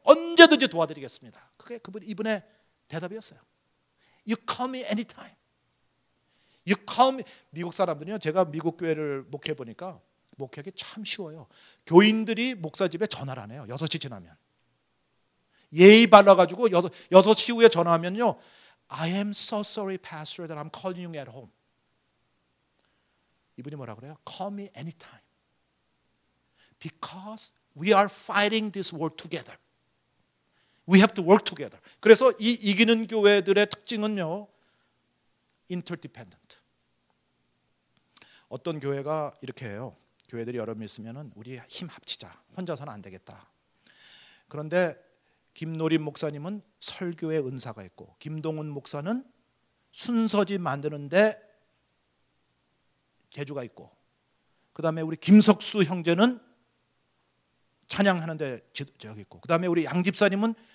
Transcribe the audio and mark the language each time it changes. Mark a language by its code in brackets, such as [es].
[ko] 언제든지 도와드리겠습니다. 그게 이분의 대답이었어요. [en] You call me anytime. You call me. [ko] 미국 사람들은요. 제가 미국 교회를 목회해보니까 목회하기 참 쉬워요. 교인들이 목사 집에 전화를 안 해요. 6시 지나면. 예의 발라가지고 6시 후에 전화하면요. [en] I am so sorry, Pastor, that I'm calling you at home. [ko] 이분이 뭐라 그래요? [en] Call me anytime. Because we are fighting this war together. We have to work together. [ko] 그래서 이 이기는 교회들의 특징은요. [en] Interdependent. [ko] 어떤 교회가 이렇게 해요. 교회들이 여러 명 있으면은 우리 힘 합치자. 혼자서는 안 되겠다. 그런데 김노림 목사님은 설교의 은사가 있고 김동훈 목사는 순서지 만드는데 재주가 있고 그 다음에 우리 김석수 형제는 찬양하는데 재주가 있고 그 다음에 우리 양 집사님은